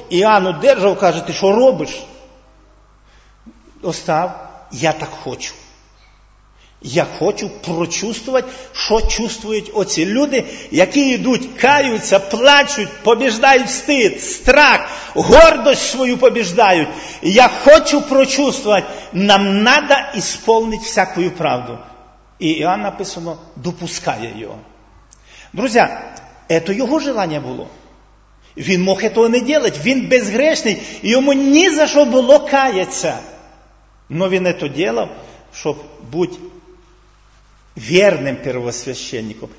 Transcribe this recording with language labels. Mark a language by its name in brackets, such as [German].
[Ukrainian] Іоанн удержав, каже, ти що робиш? Остав. Я так хочу. Я хочу прочувствовать, що чувствують оці люди, які йдуть, каються, плачуть, побіждають стид, страх, гордость свою побіждають. [Russian] Я хочу прочувствовать, нам надо исполнить всякую правду. [Ukrainian] І Іоанн написано, допускає його. Друзі, це його желання було. Він мог цього не робити, він безгрешний, і йому ні за що було каяться. Но він це робив, щоб бути вірним первосвященником.